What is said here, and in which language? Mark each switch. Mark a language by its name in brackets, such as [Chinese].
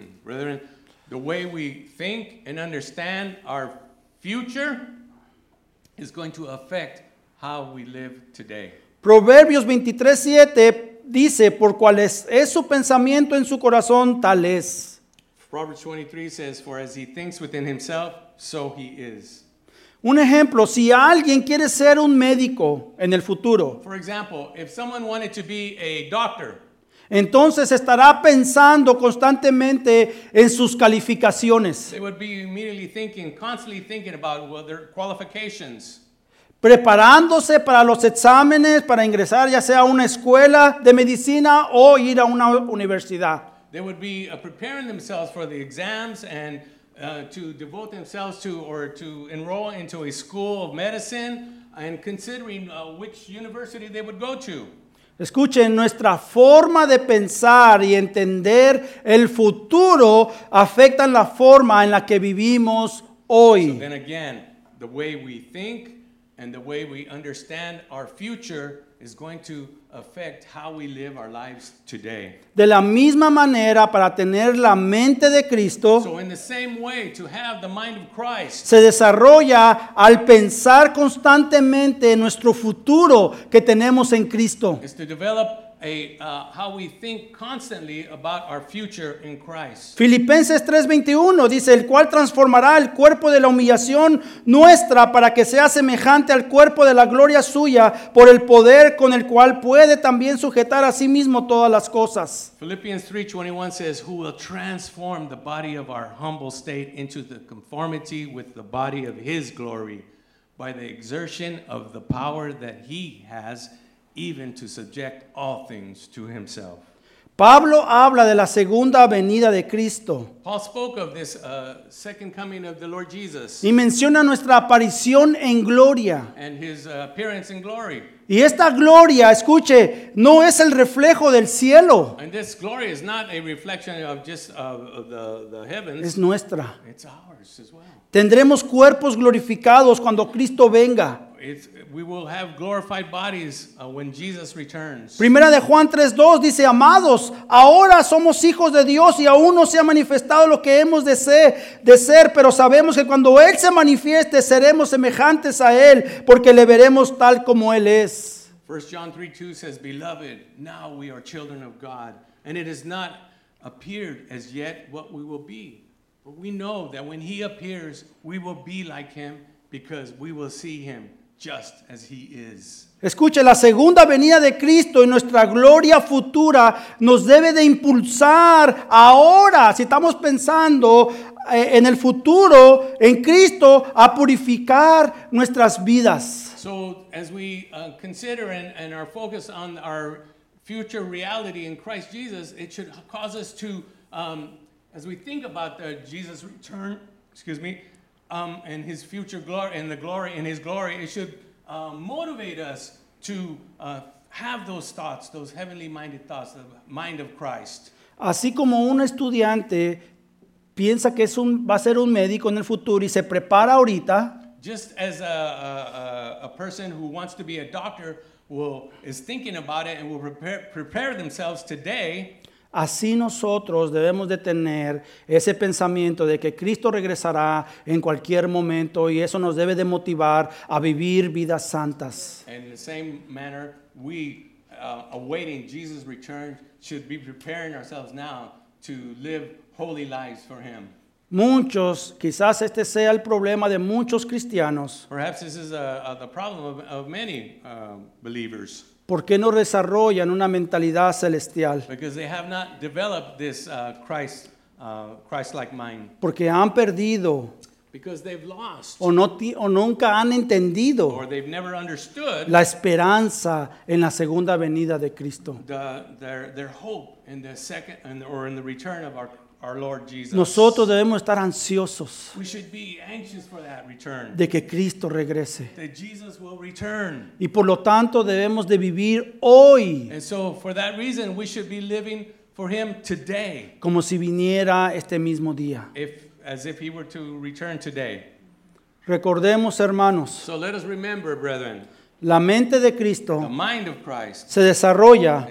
[English] Brethren, the way we think and understand our future is going to affect how we live today. [Spanish] Proverbios 23:7 dice, por cual es su pensamiento en su corazón, tal es. [English] Proverbs 23 says, for as he thinks within himself, so he is. [Spanish] Un ejemplo, si alguien quiere ser un médico en el futuro. [English] For example, if someone wanted to be a doctor. [Spanish] Entonces estará pensando constantemente en sus calificaciones. [English] They would be immediately thinking, constantly thinking about their qualifications. [Spanish] Preparándose para los exámenes, para ingresar ya sea a una escuela de medicina o ir a una universidad. [English] They would be preparing themselves for the exams and to devote themselves to or to enroll into a school of medicine and considering which university they would go to. [Spanish] Escuchen, nuestra forma de pensar y entender el futuro afecta la forma en la que vivimos hoy. [English] So then again, the way we think and the way we understand our future is going to affect how we live our lives today. [Spanish] De la misma manera, para tener la mente de Cristo, [English] so in the same way, to have the mind of Christ, [Spanish] se desarrolla al pensar constantemente en nuestro futuro que tenemos en Cristo. [English] Is to develop how we think constantly about our future in Christ. [Spanish] Filipenses 3:21 dice, el cual transformará el cuerpo de la humillación nuestra para que sea semejante al cuerpo de la gloria suya por el poder con el cual puede también sujetar a sí mismo todas las cosas. [English] Philippians 3:21 says, who will transform the body of our humble state into the conformity with the body of his glory by the exertion of the power that he has, even to subject all things to himself. [Spanish] Pablo habla de la segunda venida de Cristo. [English] Paul spoke of this second coming of the Lord Jesus. [Spanish] Y menciona nuestra aparición en gloria. [English] And his appearance in glory. [Spanish] Y esta gloria, escuche, no es el reflejo del cielo. [English] And this glory is not a reflection of just of the heavens. [Spanish] Es nuestra. [English] It's ours as well. [Spanish] Tendremos cuerpos glorificados cuando Cristo venga. [English] We will have glorified bodies when Jesus returns. [Spanish] Primera de Juan 3:2 dice, amados, ahora somos hijos de Dios y aún no se ha manifestado lo que hemos de ser, pero sabemos que cuando Él se manifieste, seremos semejantes a Él, porque le veremos tal como Él es. [English] 1 John 3:2 says, beloved, now we are children of God, and it has not appeared as yet what we will be. But we know that when He appears, we will be like Him, because we will see Him just as He is. [Spanish] Escuche, la segunda venida de Cristo y nuestra gloria futura nos debe de impulsar ahora, si estamos pensando en el futuro, en Cristo, a purificar nuestras vidas. [English] So, as we consider and are focused on our future reality in Christ Jesus, it should cause us to, as we think about the Jesus' return, excuse me, and His future glory, and the glory in His glory, it should motivate us to have those thoughts, those heavenly-minded thoughts, the mind of Christ. [Spanish] Así como un estudiante piensa que va a ser un médico en el futuro y se prepara ahorita. [English] Just as a person who wants to be a doctor is thinking about it and will prepare themselves today. [Spanish] Así nosotros debemos de tener ese pensamiento de que Cristo regresará en cualquier momento y eso nos debe de motivar a vivir vidas santas. [English] In the same manner, we awaiting Jesus' return should be preparing ourselves now to live holy lives for Him. [Spanish] Muchos, quizás este sea el problema de muchos cristianos. [English] Perhaps this is the problem of many believers. [Spanish] ¿Por qué no desarrollan una mentalidad celestial? [English] Because they have not developed this Christ-like mind. [Spanish] Porque han perdido. [English] Because they've lost. [Spanish] O nunca han entendido. [English] Or they've never understood. [Spanish] La esperanza en la segunda venida de Cristo. [English] Their hope in the second, or in the return of our Lord Jesus. [Spanish] Nosotros debemos estar ansiosos. [English] We should be anxious for that return. [Spanish] De que Cristo regrese. [English] That Jesus will return. [Spanish] Y por lo tanto debemos de vivir hoy. [English] And so for that reason we should be living for Him today. [Spanish] Como si viniera este mismo día. [English] As if He were to return today. [Spanish] Recordemos, hermanos. [English] So let us remember, brethren. [Spanish] La mente de Cristo, [English] the mind of Christ, [Spanish] se desarrolla